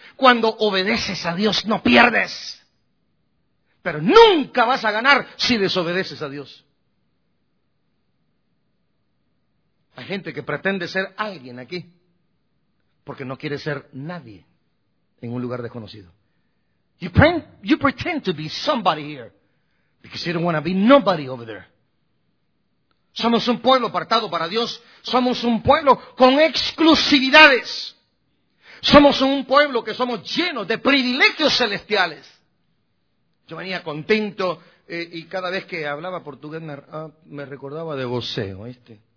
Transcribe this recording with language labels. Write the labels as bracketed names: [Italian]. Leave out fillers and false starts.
[Spanish] Cuando obedeces a Dios no pierdes. Pero nunca vas a ganar si desobedeces a Dios. Hay gente que pretende ser alguien aquí porque no quiere ser nadie en un lugar desconocido. [English] You pretend to be somebody here because you don't want to be nobody over there. [Spanish] Somos un pueblo apartado para Dios. Somos un pueblo con exclusividades. Somos un pueblo que somos llenos de privilegios celestiales. Yo venía contento y cada vez que hablaba portugués me recordaba de vos, ¿oíste?